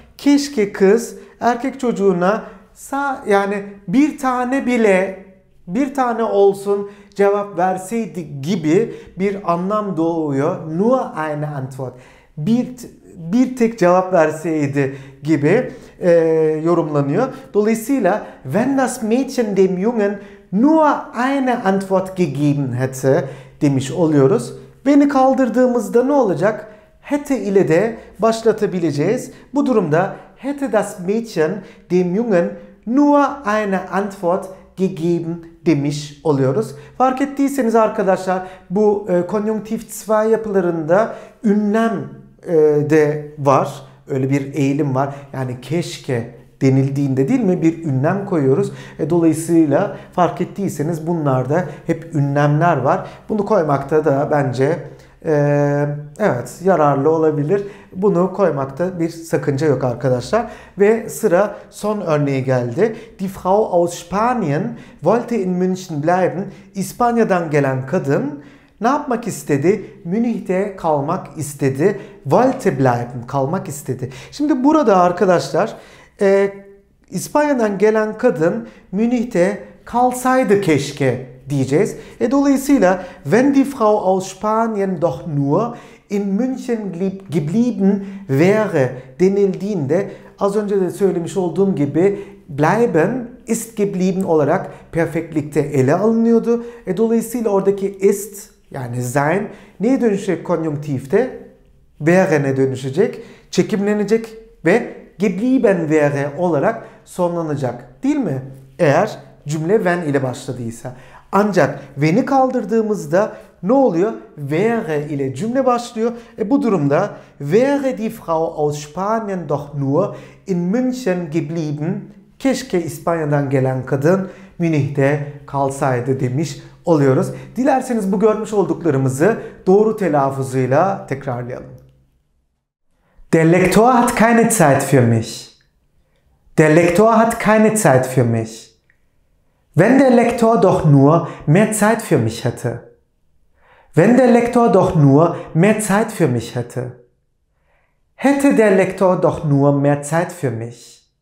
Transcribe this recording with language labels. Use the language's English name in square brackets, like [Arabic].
[Turkish] Keşke kız erkek çocuğuna yani bir tane bile bir tane olsun cevap verseydi gibi bir anlam doğuyor. Nur eine Antwort. Bir tek cevap verseydi gibi yorumlanıyor. [German] Dolayısıyla wenn das Mädchen dem Jungen nur eine Antwort gegeben hätte demiş oluyoruz. [Turkish] Beni kaldırdığımızda ne olacak? Hätte ile de başlatabileceğiz. [German] Bu durumda hätte das Mädchen dem Jungen nur eine Antwort gegeben demiş oluyoruz. [Turkish] Fark ettiyseniz arkadaşlar bu konjunktif 2 yapılarında ünlem de var. Öyle bir eğilim var. Yani keşke denildiğinde değil mi bir ünlem koyuyoruz. Dolayısıyla fark ettiyseniz bunlarda hep ünlemler var. Bunu koymakta da bence evet yararlı olabilir. Bunu koymakta bir sakınca yok arkadaşlar. Ve sıra son örneğe geldi. [German] Die Frau aus Spanien wollte in München bleiben. [Turkish] İspanya'dan gelen kadın ne yapmak istedi? Münih'te kalmak istedi. Wollte bleiben, kalmak istedi. Şimdi burada arkadaşlar İspanya'dan gelen kadın Münih'te kalsaydı keşke diyeceğiz. [German] Dolayısıyla wenn die Frau aus Spanien doch nur in München geblieben wäre denildiğinde az önce de söylemiş olduğum gibi bleiben ist geblieben olarak perfektlikte ele alınıyordu. [Turkish] Dolayısıyla oradaki ist yani sein neye dönüşecek konjunktifte? Wäre'ne dönüşecek, çekimlenecek ve geblieben wäre olarak sonlanacak. Değil mi? Eğer cümle wenn ile başladıysa. Ancak wenn'i kaldırdığımızda ne oluyor? Wäre ile cümle başlıyor. [German] Bu durumda wäre die Frau aus Spanien doch nur in München geblieben. [Turkish] Keşke İspanya'dan gelen kadın Münih'te kalsaydı demiş oluyoruz. Dilerseniz bu görmüş olduklarımızı doğru telaffuzuyla tekrarlayalım. [German] Der Lektor hat keine Zeit für mich. Der Lektor hat keine Zeit für mich. Wenn der Lektor doch nur mehr Zeit für mich hätte. Wenn der Lektor doch nur mehr Zeit für mich hätte. Hätte der Lektor doch nur mehr Zeit für mich.